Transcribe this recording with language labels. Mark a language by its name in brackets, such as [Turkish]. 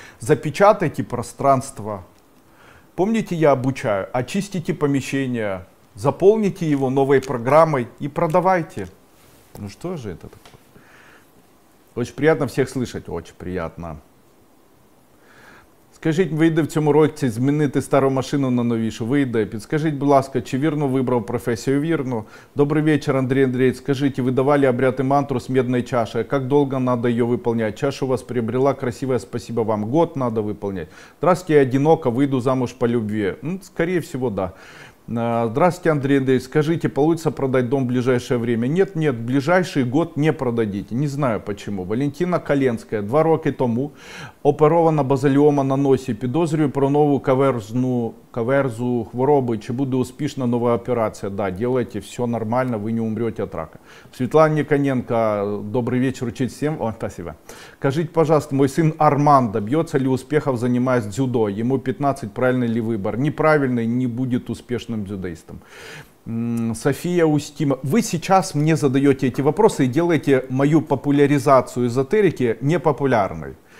[Russian] Запечатайте пространство. Помните, я обучаю? Очистите помещение, заполните его новой программой и продавайте. Ну что же это такое? Очень приятно всех слышать. Очень приятно. [Ukrainian] Скажіть, вийде в цьому році змінити стару машину на новішу? Вийде. Підскажіть, будь ласка, чи вірно вибрав професію? Вірно. Добрий вечір, Андрій Андрійович. Скажіть, ви давали обряти мантру з медної чаші? Як довго треба її виконувати? [Russian] Чаша у вас приобрела красивая, спасибо вам. [Ukrainian] Год треба виконувати. Здравствуйте, я одиноко, вийду замуж по любві. Скоріше всього, да. [Russian] Здравствуйте, Андрій Андрійович. Скажите, получится продать дом в ближайшее время? Нет, нет, ближайший год не продадите. Не знаю почему. [Ukrainian] Валентина Каленская 2 роки тому оперована базальома на носі. Підозрюю про нову каверзу хвороби. Чи буде успішна нова операція? [Russian] Да, делайте, все нормально, ви не умрете от рака. [Ukrainian] Світлана Ніконенко, добрий вечір, учить всім. [Russian] О, спасибо. Кажіть, пожалуйста, мой син Арман добьется ли успехов, занимаясь дзюдо? Ему 15, правильный ли выбор? Неправильный, не будет успешным дзюдоистом. София Устима, вы сейчас мне задаете эти вопросы и делаете мою популяризацию эзотерики непопулярной.